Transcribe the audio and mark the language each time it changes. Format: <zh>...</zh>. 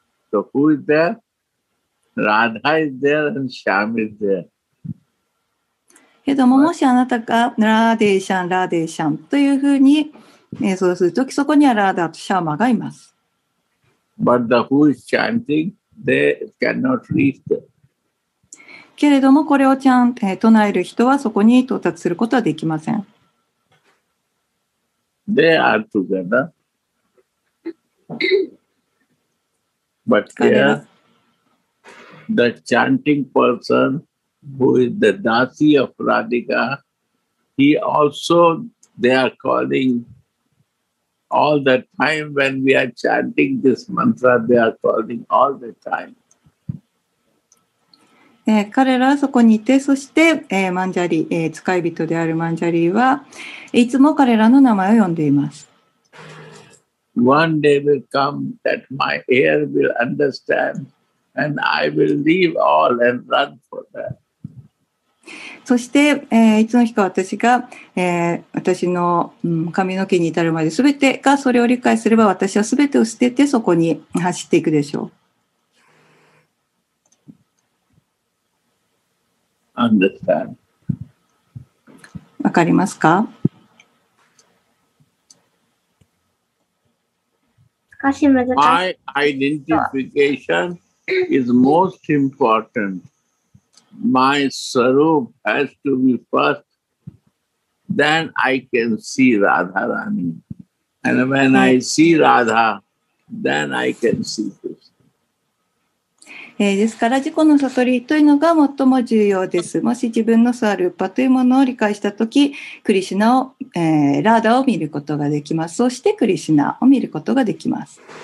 <en>So who is there? Radha is there and Shyam is there.</en> <ja>けども、もしあなたがラーデーシャン、ラーデーシャンというふうに演奏するとき、そこにはラーダーとシャーマがいます。</ja> <en>But the who is chanting, they cannot reach them.</en> <ja>けれども、これをちゃん、唱える人はそこに到達することはできません。</ja> <en>They are together. But here, the chanting person,Who is the Dasi of Radhika? He also, they are calling all the time when we are chanting this mantra, they are calling all the time.</en> <ja>彼らはそこにいて、そして、マンジャリ、使い人であるマンジャリはいつも彼らの名前を呼んでいます。</ja> <en>One day will come that my heir will understand and I will leave all and run for that.</en> <ja>そして、いつの日か私が、私の、髪の毛に至るまで全てがそれを理解すれば私は全てを捨ててそこに走っていくでしょう。</ja> <en>Understand.</en> <ja>わかりますか？少し難しい。</ja> <en>My identification is most important. My Swarup has to be first, then I can see Radharani. And when I see Radha, then I can see Krishna.</en> <ja>ですから自己の悟りというのが最も重要です。もし自分のSwarupaというものを理解したとき、クリシュナを、ラーダを見ることができます。そしてクリシュナを見ることができます。</ja>